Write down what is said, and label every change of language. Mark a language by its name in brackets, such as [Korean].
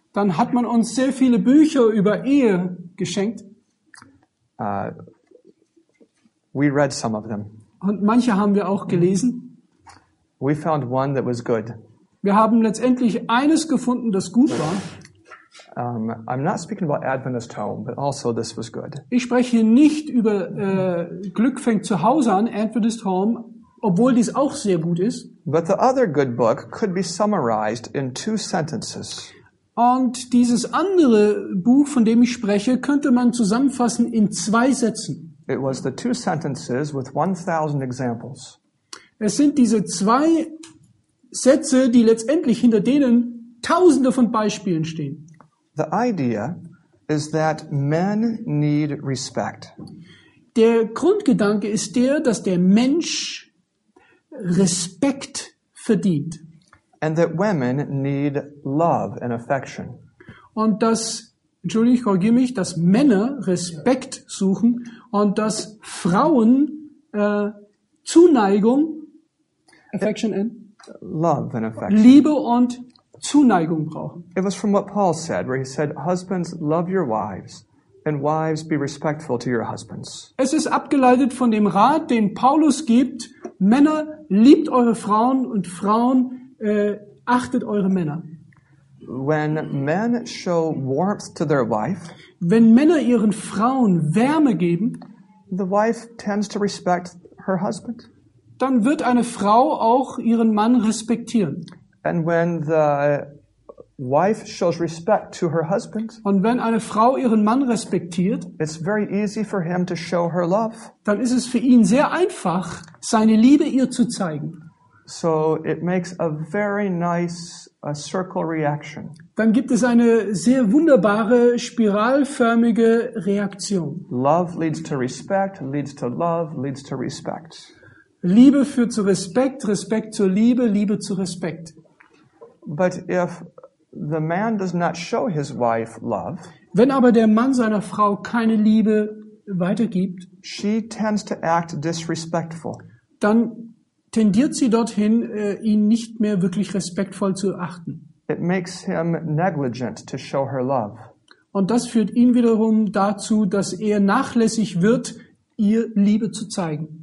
[German] Dann hat man uns sehr viele Bücher über Ehe geschenkt. [English] We read some of them. [German] Und manche haben wir auch gelesen. [English] We found one that was good. [German] Wir haben letztendlich eines gefunden, das gut war. [English] I'm not speaking about Adventist home, but also this was good. [German] Ich spreche nicht über Glück fängt zu Hause an, Adventist home, obwohl dies auch sehr gut ist. [English] But the other good book could be summarized in 2 sentences. [German] Und dieses andere Buch, von dem ich spreche, könnte man zusammenfassen in 2 Sätzen. [English] It was the 2 sentences with 1,000 examples. [German] Es sind diese 2 Sätze, die letztendlich hinter denen Tausende von Beispielen stehen. [English] The idea is that men need respect. [German] Der Grundgedanke ist der, dass der Mensch Respekt verdient. [English] And that women need love and affection. [German] Und dass, entschuldige, ich korrigiere mich, dass Männer Respekt suchen und dass Frauen Zuneigung, [English] affection and love and affection. [German] Liebe und Zuneigung brauchen. [English] It was from what Paul said, where he said, "Husbands, love your wives, and wives, be respectful to your husbands." [German] Es ist abgeleitet von dem Rat, den Paulus gibt: Männer, liebt eure Frauen, und Frauen, achtet eure Männer. [English] When men show warmth to their wife, [German] wenn Männer ihren Frauen Wärme geben, [English] the wife tends to respect her husband. [German] Dann wird eine Frau auch ihren Mann respektieren. [English] And when the wife shows respect to her husband, [German] und wenn eine Frau ihren Mann respektiert, [English] it's very easy for him to show her love. [German] Dann ist es für ihn sehr einfach, seine Liebe ihr zu zeigen. [English] So it makes a very nice circle reaction. [German] Dann gibt es eine sehr wunderbare spiralförmige Reaktion. [English] Love leads to respect, leads to love, leads to respect. [German] Liebe führt zu Respekt, Respekt zur Liebe, Liebe zu Respekt. [English] But if the man does not show his wife love, [German] wenn aber der Mann seiner Frau keine Liebe weitergibt, [English] she tends to act disrespectful. [German] Dann tendiert sie dorthin, ihn nicht mehr wirklich respektvoll zu achten. [English] It makes him negligent to show her love. [German] Und das führt ihn wiederum dazu, dass er nachlässig wird, ihr Liebe zu zeigen.